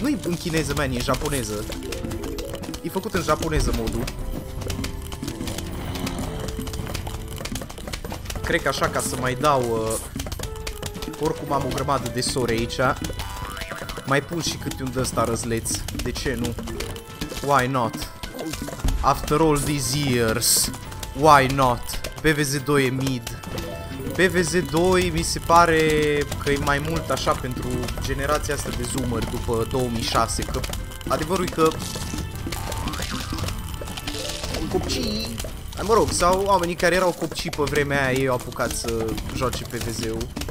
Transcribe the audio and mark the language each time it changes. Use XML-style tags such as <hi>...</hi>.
<ro>Nu-i în chineză, man, e în japoneză. E făcut în japoneză modul. Cred că așa, ca să mai dau... Oricum am o grămadă de sore aici. Mai pun și câte un dăsta răzleț. De ce nu?</ro> <en>Why not? After all these years, why not?</en> <ro>PVZ2 e mid. PVZ2 mi se pare că e mai mult așa pentru generația asta de zoomeri după 2006. Că adevărul e că... Copcii... Mă rog, sau oamenii care erau copcii pe vremea aia, ei au apucat să joace PVZ-ul.</ro>